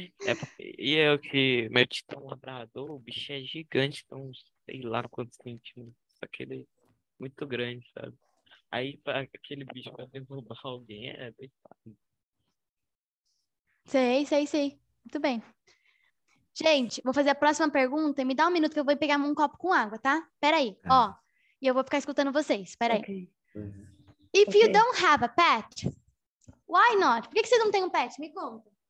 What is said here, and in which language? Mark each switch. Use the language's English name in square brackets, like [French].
[Portuguese] É, e eu que meu titão labrador, o bicho é gigante, então sei lá quantos centímetros, só que ele é muito grande, sabe? Aí para aquele bicho pra derrubar alguém é bem fácil. Sei, sei, sei. Muito bem. Gente, vou fazer a próxima pergunta e me dá um minuto que eu vou pegar um copo com água, tá? Peraí, ó. E eu vou ficar escutando vocês, peraí. Okay. [English] If you don't have a pet, why not? [Portuguese] Por que vocês não têm um pet? Me conta.